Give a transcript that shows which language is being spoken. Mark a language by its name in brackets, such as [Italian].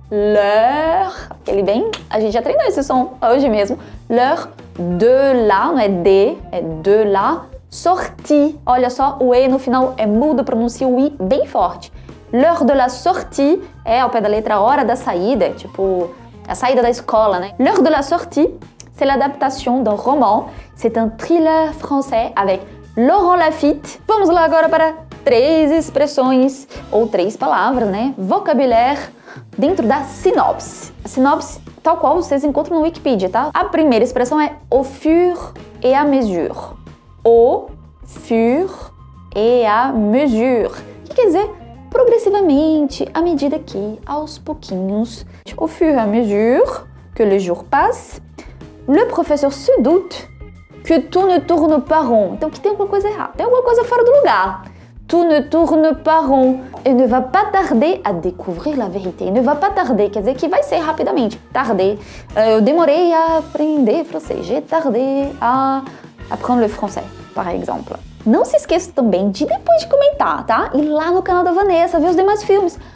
[Portuguese] L'heure, aquele bem, a gente já treinou esse som hoje mesmo. L'heure de la, não é de, é de la sortie. Olha só, o E no final é mudo, pronuncia o I bem forte. [French] L'heure de la sortie [Portuguese] é, ao pé da letra, a hora da saída, tipo, a saída da escola, né? [French] L'heure de la sortie, c'est l'adaptation d'un roman. C'est un thriller français avec Laurent Lafitte. [Portuguese] Vamos lá agora para três expressões, ou três palavras, né? Vocabulaire dentro da sinopse. A sinopse, tal qual vocês encontram no Wikipedia, tá? A primeira expressão é [French] au fur et à mesure. [Portuguese] Au fur et à mesure. O que quer dizer? Progressivamente, à medida que, aos pouquinhos. [French] Au fur et à mesure que les jours passent, le professeur se doute que tout ne tourne pas rond. [Portuguese] Então, que tem alguma coisa errada. Tem alguma coisa fora do lugar. [French] Tout ne tourne pas rond. Et ne va pas tarder à découvrir la vérité. [Portuguese] Ne va pas tarder, quer dizer que vai ser rapidamente. Tarder. Eu demorei a aprender francês. [French] J'ai tardé à apprendre le français, par exemple. [Portuguese] Não se esqueça também de depois de comentar, tá? Ir lá no canal da Vanessa, ver os demais filmes.